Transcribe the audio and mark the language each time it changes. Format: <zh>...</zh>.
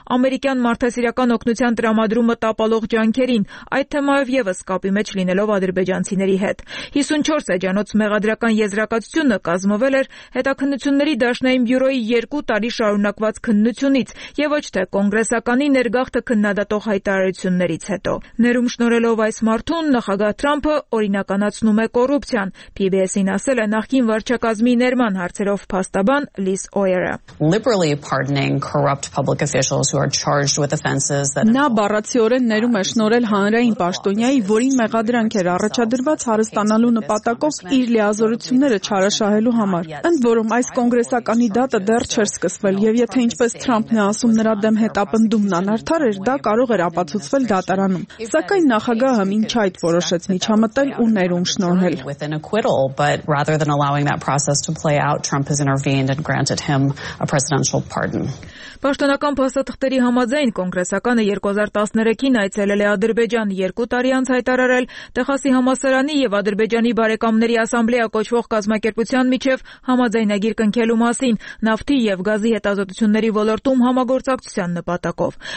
<hy>ամերիկյան մարդասիրական օգնության տրամադրումը տապալող ջանքերին, այդ թեմայով ևս կապի մեջ լինելով ադրբեջանցիների հետ։ 54 էջանոց մեղադրական եզրակացությունը կազմվել էր հետաքննությունների Դաշնային բյուրոյի 2 տարի շարունակված քննությունից և ոչ թե կոնգրեսականի ներգաղթը քննադատող հայտարարություններից հետո։ Ներում շնորելով այս մարդուն, նախագահ Թրամփը օրինականացնում է կոռուպցիան, PBS-ին ասել է նախկին վարչակազմի ներման հարցերով փաստաբան Լիզ Օյերը։</hy> <en>Liberally pardoning corrupt public officials who are charged with offenses that</en> <hy>նա բառացիորեն ներում է շնորել հանրային պաշտոնյայի, որին մեղադրանք էր առաջադրված հարստանալու նպատակով իր լիազորությունները չարաշահելու համար, ընդ որում այս կոնգրեսականի դատը դեռ չէր սկսվել, և եթե ինչպես Թրամփն է ասում, նրա դեմ հետապնդումն անարդար էր, դա կարող էր ապացուցվել դատարանում, սակայն նախագահը մինչ այդ որոշեց միջամտել ու ներում շնորհել։</hy> <en>But rather than allowing that process to play out, Trump has intervened and granted him a presidential pardon.</en> <hy>Պաշտոնական փաստաթղթերի համաձայն կոնգրեսականը 2013-ին այցելել է Ադրբեջան, 2 տարի անց հայտարարել Տեխասի համասարանի և Ադրբեջանի բարեկամների ասամբլեա կոչվող կազմակերպության միջև համաձայնագիր կնքելու մասին նավթի և գազի հետազոտությունների ոլորտում համագործակցության նպատակով։</hy>